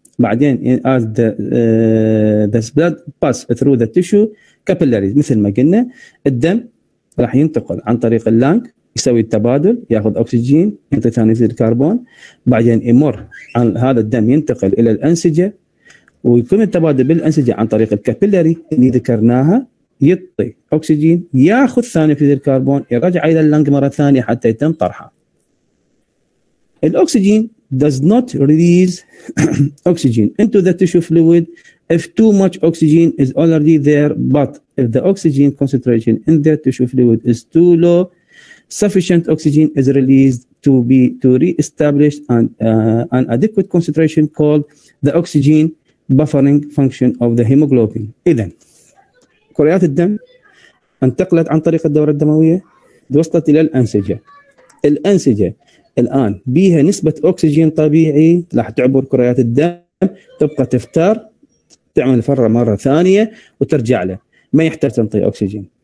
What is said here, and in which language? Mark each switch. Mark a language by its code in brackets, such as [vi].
[ar] بعدين [en] add the blood pass through the tissue capillaries [ar] مثل ما قلنا الدم راح ينتقل عن طريق اللانك يسوي التبادل ياخذ اكسجين ينطي ثاني اكسيد الكربون بعدين يمر عن هذا الدم ينتقل الى الانسجه ويكون التبادل بالانسجه عن طريق الكابيلاري اللي ذكرناها يعطي اكسجين ياخذ ثاني اكسيد الكربون يرجع الى اللانك مره ثانيه حتى يتم طرحه. [en] الاكسجين does not release oxygen into the tissue fluid if too much oxygen is already there, but if the oxygen concentration in the tissue fluid is too low, sufficient oxygen is released to re-establish an adequate concentration called the oxygen buffering function of the hemoglobin. [ar] إذن كريات الدم انتقلت عن طريق الدورة الدموية وصلت إلى الأنسجة. الأنسجة الآن بيها نسبة أكسجين طبيعي راح تعبر كريات الدم تبقى تفتر تعمل فرة مرة ثانية وترجع له ما يحتاج تنطي أكسجين.